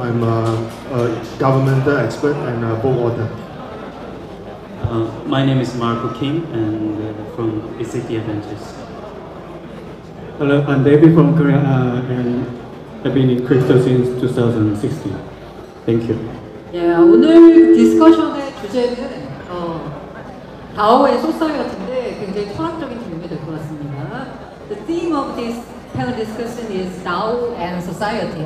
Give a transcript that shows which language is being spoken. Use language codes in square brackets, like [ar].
[en] I'm a government expert and a board author. My name is Marco Kim, and from BCT Adventures. Hello, I'm David from Korea, and I've been in crypto since 2016. Thank you. [ko] Yeah, 오늘 디스커션의 주제는 DAO의 속성 같은데 굉장히 철학적인 질문이 될 것 같습니다. [en] The theme of this panel discussion is DAO and society.